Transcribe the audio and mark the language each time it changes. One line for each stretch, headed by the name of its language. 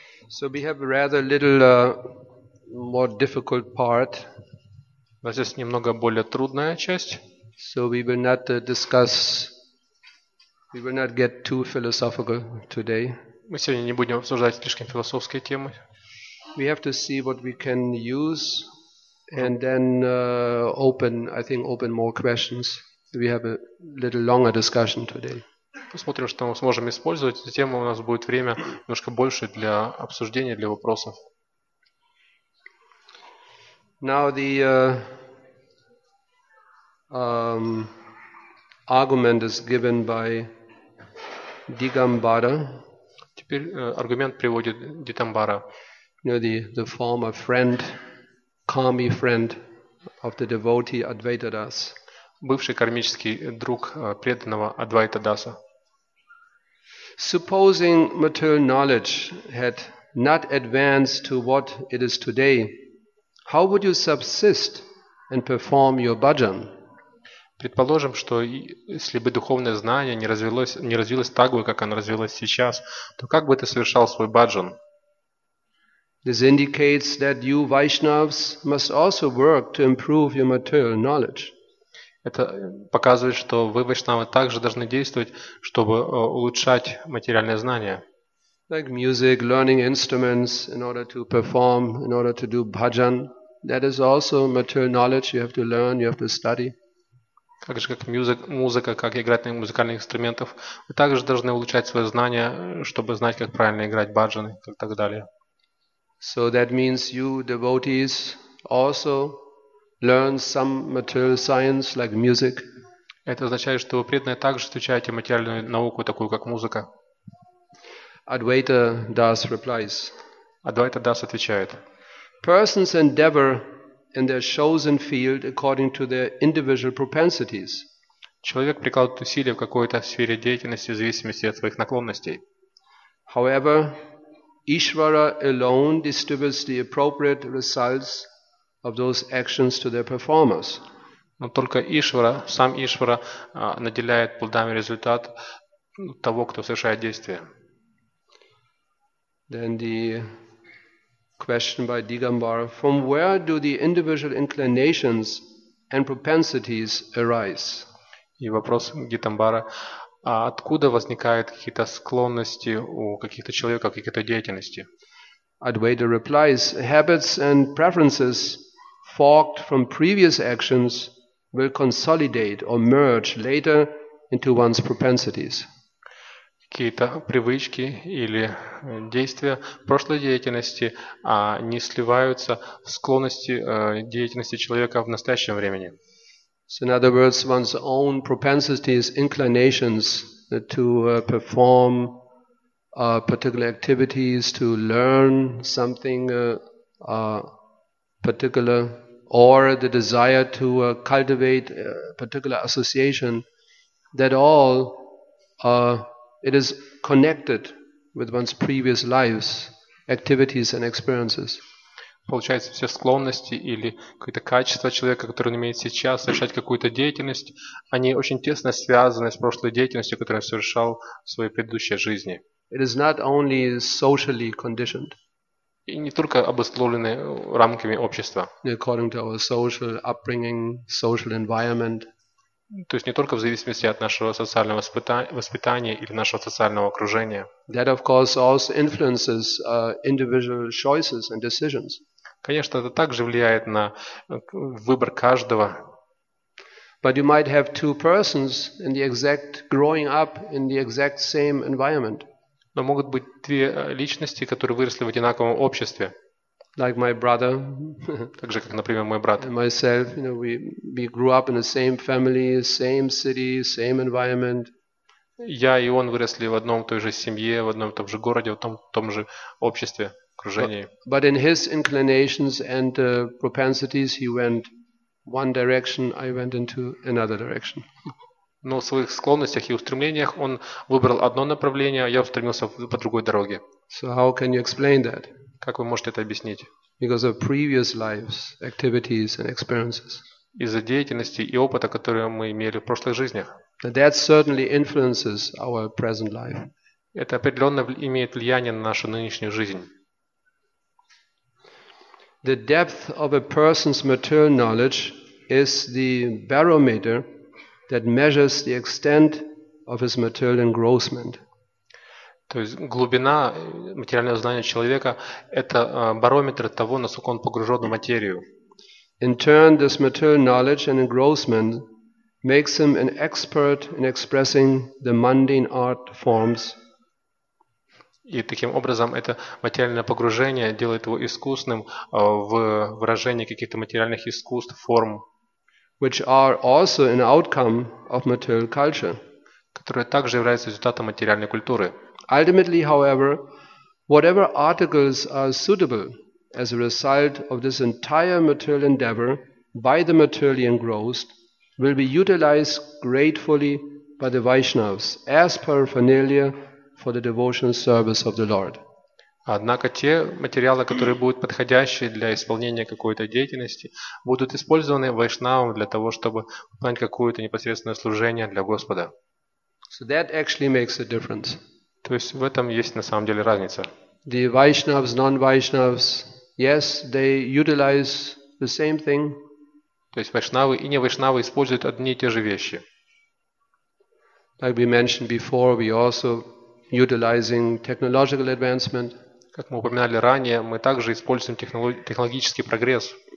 English: So we have a rather little more difficult part.
Russian: У нас есть немного более трудная часть.
English: So we will not discuss, we will not get too philosophical today.
Russian: Мы сегодня не будем обсуждать слишком философские темы.
English: We have to see what we can use and then open more questions. We have a little longer discussion today.
Russian: Посмотрим, что мы сможем использовать. Затем у нас будет время немножко больше для обсуждения, для вопросов.
English: Now the argument is given by Digambara.
Russian: Теперь аргумент приводит Дигамбара.
English: You know, the former friend, karmic friend of the devotee Advaita Das.
Russian: Бывший кармический друг преданного Адвайта Даса.
English: Supposing material knowledge had not advanced to what it is today, how would you subsist and perform your bhajan?
Russian: Предположим, что если бы духовное знание не развилось так бы, как оно развилось сейчас, то как бы ты совершал свой бхаджан?
English: This indicates that you Vaishnavs must also work to improve your material knowledge.
Russian: Это показывает, что вы, Вайшнавы, также должны действовать, чтобы улучшать материальные знания.
English: Like music, learning instruments in order to perform, in order to do bhajan. That is also material knowledge. You have to learn, you have to study.
Russian: Как же, как музыка, как играть на музыкальных инструментах. Вы также должны улучшать свои знания, чтобы знать, как правильно играть бхаджаны и так далее.
English: So that means you, devotees, also learn some material science like music.
Russian: Это означает, что вы преданные также изучаете материальную науку, такую как музыка.
English: Advaita Das replies.
Russian: Advaita Das отвечает.
English: Persons endeavor in their chosen field according to their individual propensities.
Russian: Человек прикладывает усилия в какой-то сфере деятельности в зависимости от своих наклонностей.
English: However, Ishvara alone distributes the appropriate results of those actions to their performers.
Russian: Но только Ишвара, сам Ишвара, наделяет плодами результат того, кто совершает действие.
English: Then the question by Digambara, from where do the individual inclinations and propensities arise?
Russian: И вопрос Дигамбары, а откуда возникают какие-то склонности у каких-то человека, какие-то деятельности?
English: Advaita replies, habits and preferences forked from previous actions will consolidate or merge later into one's propensities.
Russian: Какие-то привычки или действия прошлой деятельности не сливаются в склонности деятельности человека в настоящем времени.
English: So in other words, one's own propensities, inclinations to perform particular activities, to learn something particular, or the desire to cultivate a particular association, that all it is connected with one's previous lives, activities and experiences.
Russian: Получается, все склонности или какое-то качество человека, которое он имеет сейчас, совершать какую-то деятельность, они очень тесно связаны с прошлой деятельностью, которую он совершал в своей предыдущей жизни.
English: It is not only socially conditioned.
Russian: И не только обусловлены рамками общества.
English: According to our social upbringing, social environment.
Russian: То есть не только в зависимости от нашего социального воспитания или нашего социального окружения.
English: That of course also influences individual choices and decisions.
Russian: Конечно, это также влияет на выбор каждого.
English: But you might have two persons in the exact growing up in the exact same environment.
Russian: Но могут быть две личности, которые выросли в одинаковом обществе.
English: Like my brother.
Russian: Так же, как, например, мой брат.
English: And myself, you know, we grew up in the same family, same city, same environment.
Russian: Я и он выросли в одном той же семье, в одном том же городе, в том же обществе, окружении.
English: But in his inclinations and propensities, he went one direction, I went into another direction.
Russian: Но в своих склонностях и устремлениях он выбрал одно направление, а я устремился по другой дороге.
English: So how can you explain that?
Russian: Как вы можете это объяснить?
English: Because of previous lives, activities and experiences.
Russian: Из-за деятельности и опыта, которые мы имели в прошлых жизнях.
English: That certainly influences our present life.
Russian: Это определенно имеет влияние на нашу нынешнюю жизнь.
English: The depth of a person's material knowledge is the barometer that measures the extent of his material engrossment.
Russian: То есть глубина материального знания человека – это барометр того, насколько он погружен в материю.
English: In turn, this material knowledge and engrossment makes him an expert in expressing the mundane art forms.
Russian: И таким образом это материальное погружение делает его искусным в выражении каких-то материальных искусств, форм.
English: Which are also an outcome of material culture.
Russian: Которые также являются результатом материальной культуры.
English: Ultimately, however, whatever articles are suitable as a result of this entire material endeavor by the materially engrossed will be utilized gratefully by the Vaishnavas as paraphernalia for the devotional service of the Lord.
Russian: Однако те материалы, которые будут подходящие для исполнения какой-то деятельности, будут использованы вайшнавам для того, чтобы выполнять какое-то непосредственное служение для Господа.
English: So that actually makes a difference.
Russian: То есть в этом есть на самом деле разница.
English: The Vaishnavas, non-Vaishnavas, yes, they utilize the same thing.
Russian: То есть вайшнавы и не вайшнавы используют одни и те же вещи.
English: Like we mentioned before, we also utilizing technological advancement.
Russian: Как мы упоминали ранее, мы также используем технологический прогресс.